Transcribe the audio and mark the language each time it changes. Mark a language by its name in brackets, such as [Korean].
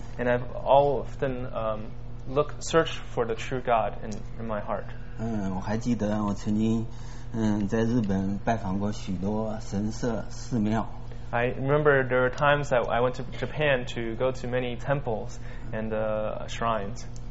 [English] And I've often searched for the true God in my heart. [Chinese] 我还记得我曾经在日本拜访过许多神社寺庙。 [English] I remember there were times that I went to Japan to go to many temples and shrines.